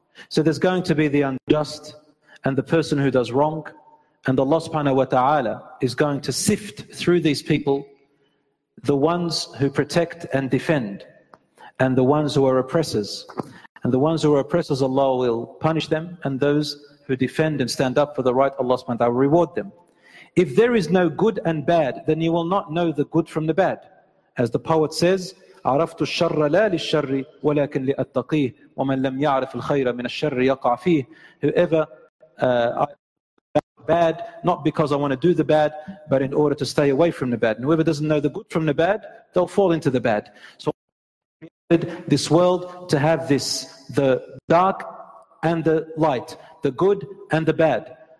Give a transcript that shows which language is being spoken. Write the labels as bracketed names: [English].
[English] So there's going to be the unjust and the person who does wrong, and Allah subhanahu wa ta'ala is going to sift through these people the ones who protect and defend, and the ones who are oppressors. And the ones who are oppressors, Allah will punish them, and those who defend and stand up for the right, Allah subhanahu wa ta'ala will reward them. If there is no good and bad, then you will not know the good from the bad. As the poet says, [Arabic] عَرَفْتُ الشَّرَّ لَا لِلشَّرِّ وَلَكِنْ لِأَتَّقِيهِ وَمَنْ لَمْ يَعْرِفِ الْخَيْرَ مِنَ الشَّرِّ يَقَعْ فِيهِ. [English] Whoever bad, not because I want to do the bad, but in order to stay away from the bad. And whoever doesn't know the good from the bad, they'll fall into the bad. So this world to have this, the dark and the light, the good and the bad.